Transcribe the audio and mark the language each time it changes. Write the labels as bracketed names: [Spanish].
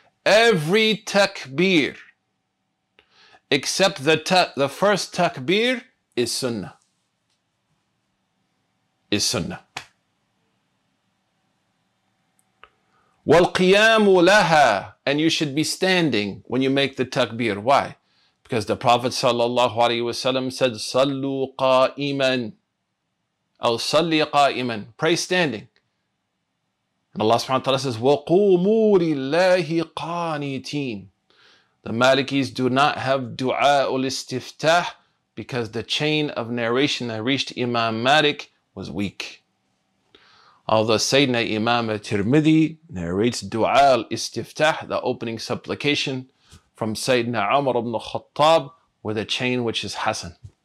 [English] Every takbir except the first takbir is sunnah. Is sunnah. [Arabic] وَالْقِيَامُ لَهَا. [English] And you should be standing when you make the takbir. Why? Because the Prophet ﷺ said, [Arabic] صَلُّوا قَائِمًا أو صَلِّي قَائِمًا. [English] Pray standing. And Allah subhanahu wa ta'ala says, [Arabic] وَقُومُوا لِلَّهِ قَانِتِينَ. [English] The Malikis do not have dua al-istiftah because the chain of narration that reached Imam Malik was weak. Although Sayyidina Imam al-Tirmidhi narrates dua al-istiftah, the opening supplication from Sayyidina Umar ibn Khattab with a chain which is Hasan.